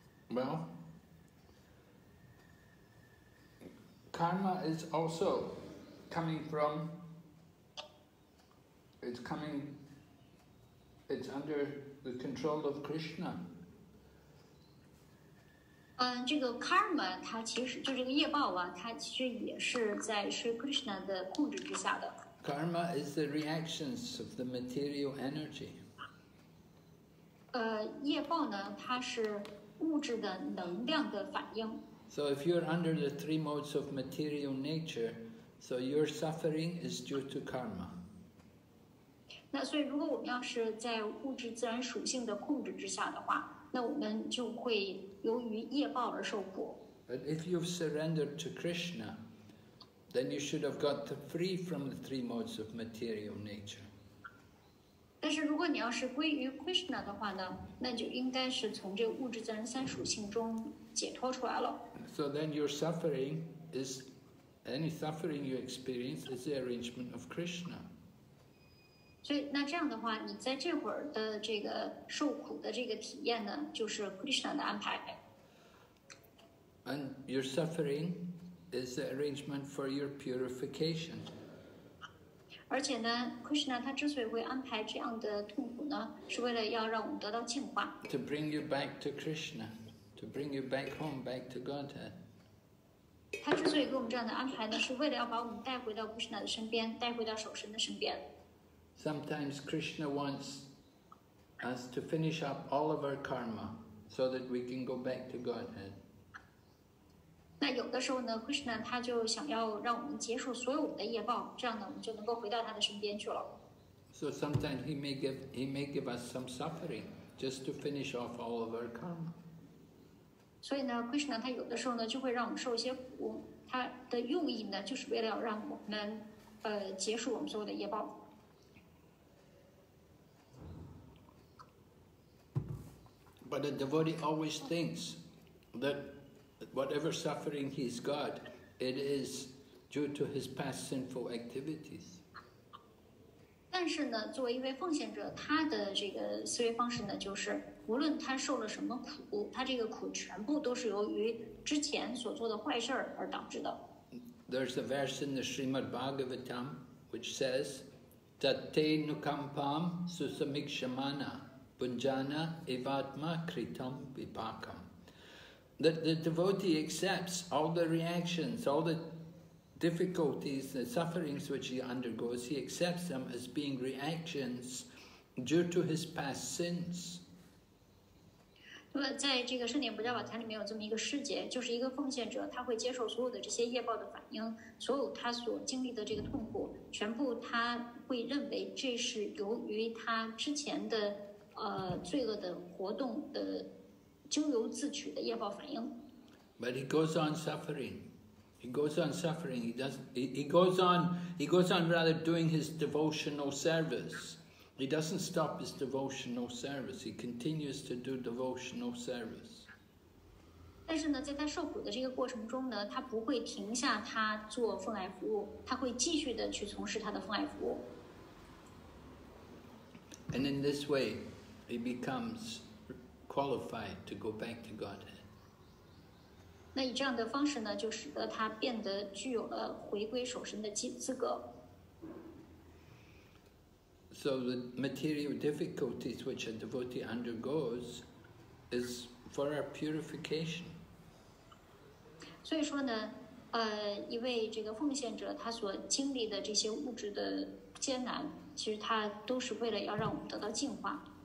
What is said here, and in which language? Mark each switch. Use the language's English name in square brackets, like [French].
[English] Well, karma is also coming from, it's comingIt's under the control of Krishna. [Chinese] 这个 karma 它其实就这个业报啊，它其实也是在 Sri Krishna 的控制之下的。 [English] Karma is the reactions of the material energy. [Chinese] 业报呢，它是物质的能量的反应。 [English] So if you're under the three modes of material nature, so your suffering is due to karma. [Chinese] 那所以如果我们要是在物质自然属性的控制之下的话，那我们就会由于业报而受苦。 [English] But if you've surrendered to Krishna, then you should have got free from the three modes of material nature. [Chinese] 但是如果你要是归于 Krishna 的话呢，那就应该是从这物质自然三属性中解脱出来了。 [English] So then your suffering is, any suffering you experience is the arrangement of Krishna. [Chinese] 所以那这样的话你在这会儿的这个受苦的这个体验呢就是 Krishna 的安排。 [English] And your suffering is the arrangement for your purification. [Chinese] 而且呢 Krishna 他之所以会安排这样的痛苦呢是为了要让我们得到净化。 [English] To bring you back to Krishna, to bring you back home, back to Godhead. [Chinese] 他之所以给我们这样的安排呢是为了要把我们带回到 Krishna 的身边，带回到守身的身边。 [English] Sometimes Krishna wants us to finish up all of our karma so that we can go back to Godhead. [Chinese] 那有的时候呢 ，Krishna 他就想要让我们结束所有的业报，这样呢，我们就能够回到他的身边去了。 [English] So sometimes he may give us some suffering just to finish off all of our karma. [Chinese] 所以呢 ，Krishna 他有的时候呢就会让我们受一些苦，他的用意呢就是为了让我们结束我们所有的业报。 [English] But a devotee always thinks that whatever suffering he's got, it is due to his past sinful activities. [Chinese] 但是呢，作为一位奉献者，他的这个思维方式呢，就是无论他受了什么苦，他这个苦全部都是由于之前所做的坏事而导致的。 [English] There's a verse in the Srimad Bhagavatam which says, [Sanskrit] "Tate nukampam susamikshamana." Bunjana evatma kritam vipakam. [English] That the devotee accepts all the reactions, all the difficulties, the sufferings which he undergoes, he accepts them as being reactions due to his past sins. [Chinese] 那么在这个圣典不教法坛里面有这么一个师节，就是一个奉献者，他会接受所有的这些业报的反应，所有他所经历的这个痛苦，全部他会认为这是由于他之前的罪恶的活动的咎由自取的业报反应。 [English] But he goes on suffering. He goes on suffering. He goes on rather doing his devotional service. He doesn't stop his devotional service. He continues to do devotional service. [Chinese] 但是呢，在他受苦的这个过程中呢，他不会停下他做奉爱服务，他会继续的去从事他的奉爱服务。 [English] And in this way, he becomes qualified to go back to Godhead. [Chinese] 那以这样的方式呢，就使得他变得具有了回归守身的资格。 [English] So the material difficulties which a devotee undergoes is for our purification. [Chinese] 所以说呢，一位这个奉献者他所经历的这些物质的艰难，其实他都是为了要让我们得到净化。